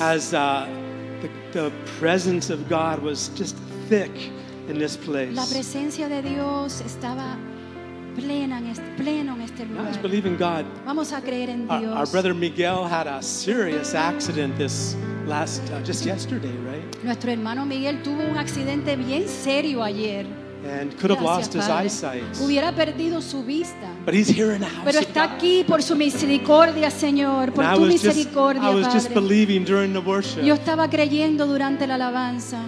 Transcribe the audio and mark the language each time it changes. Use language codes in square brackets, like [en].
[en] As the presence of God was just thick in this place. [es] La presencia de Dios estaba pleno en este lugar. [en] Let's believe in God. [es] Vamos a creer en Dios. [en] Our brother Miguel had a serious accident this last just yesterday, right? [es] Nuestro hermano Miguel tuvo un accidente bien serio ayer. [en] And could have lost his eyesight. [es] Hubiera perdido su vista. [en] But he's here in the house. [es] Pero está aquí por su misericordia, Señor, por tu misericordia, Padre. [en] I was just believing during the worship. [es] Yo estaba creyendo durante la alabanza.